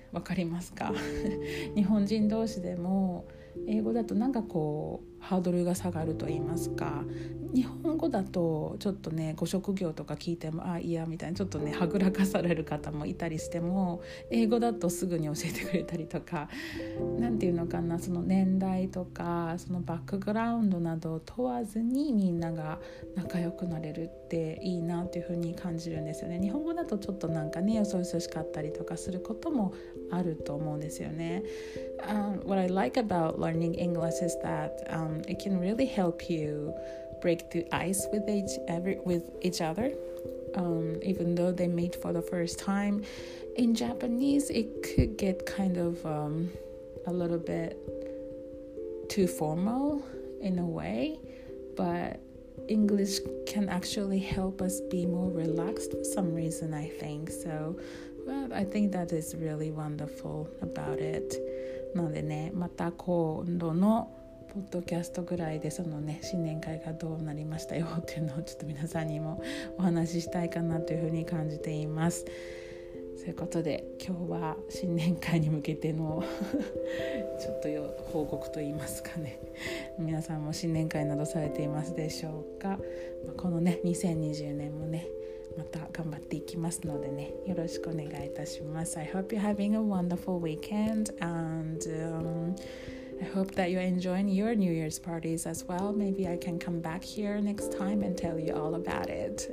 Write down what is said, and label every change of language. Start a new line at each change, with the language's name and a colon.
Japanese: わかりますか日本人同士でも英語だとなんかこうハードルが下がると言いますか、日本語だとちょっとねご職業とか聞いても、あ、いやみたいな、ちょっとねはぐらかされる方もいたりしても、英語だとすぐに教えてくれたりとか、なんていうのかな、その年代とかそのバックグラウンドなど問わずにみんなが仲良くなれるっていいなというふうに感じるんですよね。日本語だとちょっとなんかねよそよそしかったりとかすることもあると思うんですよね。
English: What I like about learning English is thatit can really help you break the ice with each other, even though they meet for the first time. In Japanese, it could get kind of a little bit too formal in a way, but English can actually help us be more relaxed for some reason, I think. So, well, I think that is really wonderful about it.
Japanese: なのでね、また今度のポッドキャストぐらいでそのね新年会がどうなりましたよっていうのをちょっと皆さんにもお話ししたいかなというふうに感じています。そういうことで今日は新年会に向けてのちょっと報告といいますかね、皆さんも新年会などされていますでしょうか。このね2020年もねまた頑張っていきますのでね、よろしくお願いいたします。
English: I hope you're having a wonderful weekend andI hope that you're enjoying your New Year's parties as well. Maybe I can come back here next time and tell you all about it.